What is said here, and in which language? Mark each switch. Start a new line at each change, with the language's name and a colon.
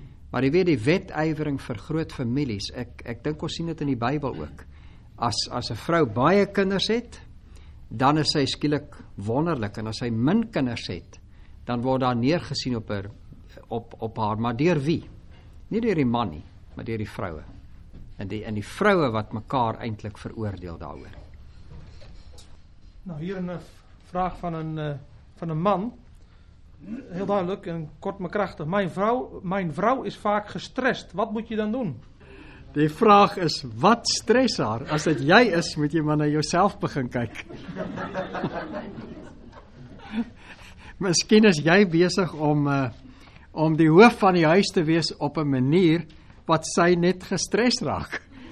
Afrikaans: Maar jy weet, die wetywering vir groot families, ek dink ons sien dit in die Bybel ook, as 'n vrou baie kinders het, dan is sy skielik wonderlik, en as sy min kinders het, dan word daar neergesien op haar, maar deur wie? Nie deur die man nie, maar deur die vroue, en die vroue wat mekaar eintlik veroordeel daaroor.
Dutch: Nou, hier 'n vraag van een man, heel duidelijk en kort maar krachtig. Mijn vrouw is vaak gestrest, wat moet je dan doen?
Afrikaans: Die vraag is, wat stress haar? As dit jy is, moet jy maar na jouself begin kyk. Miskien is jy besig om die hoof van die huis te wees op 'n manier wat sy net gestres raak.